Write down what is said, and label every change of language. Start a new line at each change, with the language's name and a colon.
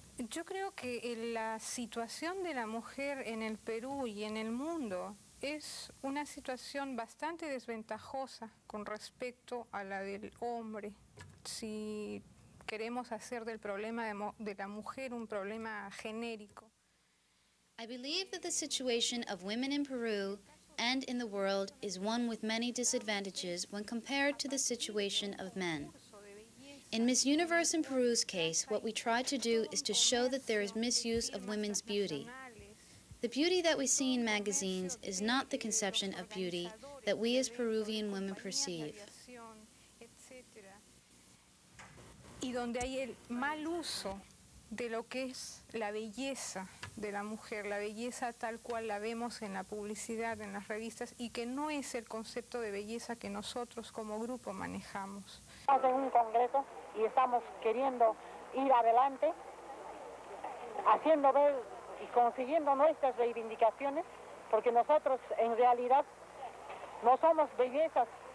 Spanish: Yo creo que la situación de la mujer en el Perú y en el mundo es una situación bastante desventajosa con respecto a la del hombre. Si queremos hacer del problema de la mujer un problema genérico.
English: I believe that the situation of women in Peru and in the world is one with many disadvantages when compared to the situation of men. In Miss Universe in Peru's case, what we tried to do is to show that there is misuse of women's beauty. The beauty that we see in magazines is not the conception of beauty that we as Peruvian women perceive.
Spanish: Y donde hay el mal uso de lo que es la belleza de la mujer, la belleza tal cual la vemos en la publicidad, en las revistas, y que no es el concepto de belleza que nosotros como grupo manejamos. Estamos en un congreso y estamos queriendo ir adelante, haciendo ver y consiguiendo nuestras reivindicaciones, porque nosotros en realidad no somos bellezas.